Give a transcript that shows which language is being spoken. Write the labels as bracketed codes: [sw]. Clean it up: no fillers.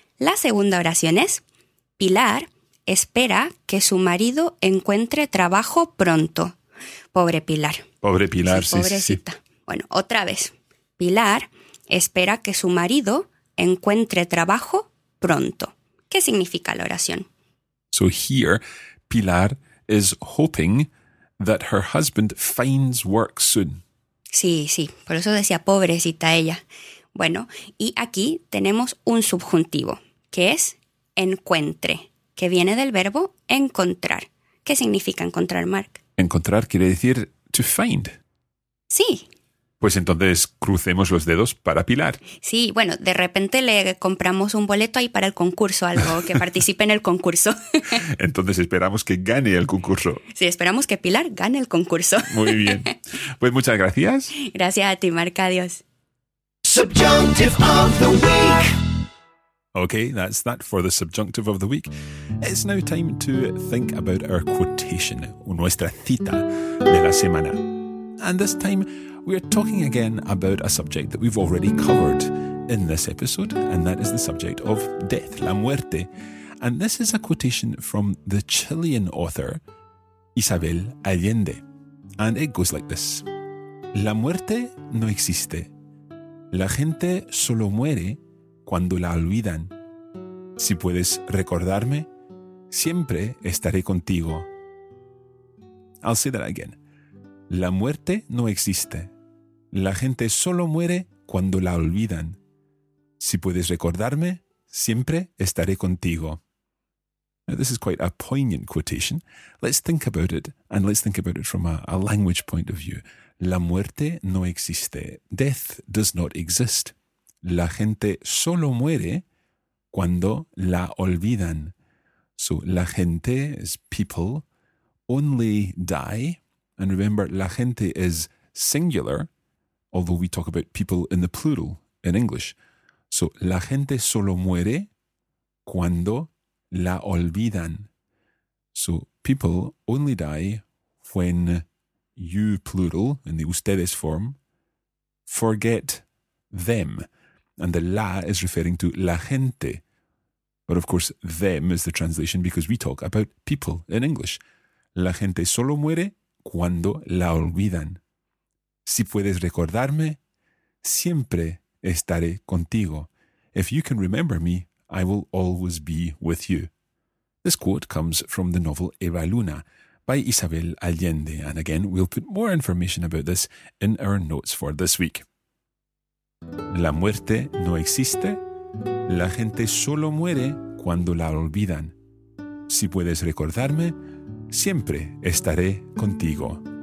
[es] La segunda oración es, Pilar espera que su marido encuentre trabajo pronto. Pobre Pilar. Pobre Pilar, sí. Pobrecita. Sí, sí. Bueno, otra vez. Pilar espera que su marido encuentre trabajo pronto. ¿Qué significa la oración? [en] So here, Pilar is hoping that her husband finds work soon. [es] Sí, sí. Por eso decía pobrecita ella. Bueno, y aquí tenemos un subjuntivo, que es encuentre, que viene del verbo encontrar. ¿Qué significa encontrar, Mark? Encontrar quiere decir [en] to find. [es] Sí. Pues entonces crucemos los dedos para Pilar. Sí, bueno, de repente le compramos un boleto ahí para el concurso, algo, que participe en el concurso. Entonces esperamos que gane el concurso. Sí, esperamos que Pilar gane el concurso. Muy bien. Pues muchas gracias. Gracias a ti, Mark. Adiós. Subjunctive [en] of the week. Okay, that's that for the subjunctive of the week. It's now time to think about our quotation, [es] nuestra cita de la semana. [en] And this time, we are talking again about a subject that we've already covered in this episode, and that is the subject of death, la muerte. And this is a quotation from the Chilean author, Isabel Allende. And it goes like this. [es] La muerte no existe. La gente solo muere cuando la olvidan. Si puedes recordarme, siempre estaré contigo. [en] I'll say that again. [es] La muerte no existe. La gente solo muere cuando la olvidan. Si puedes recordarme, siempre estaré contigo. [en] Now, this is quite a poignant quotation. Let's think about it, and let's think about it from a language point of view. [es] La muerte no existe. [en] Death does not exist. [es] La gente solo muere cuando la olvidan. [en] So, la gente is people, only die. And remember, la gente is singular, although we talk about people in the plural in English. [es] So, la gente solo muere cuando la olvidan. [en] So, people only die when you, plural, in the ustedes form, forget them. And the la is referring to la gente. But of course, them is the translation because we talk about people in English. [es] La gente solo muere cuando la olvidan. Si puedes recordarme, siempre estaré contigo. [en] If you can remember me, I will always be with you. This quote comes from the novel Eva Luna by Isabel Allende. And again, we'll put more information about this in our notes for this week. [es] La muerte no existe. La gente solo muere cuando la olvidan. Si puedes recordarme, siempre estaré contigo.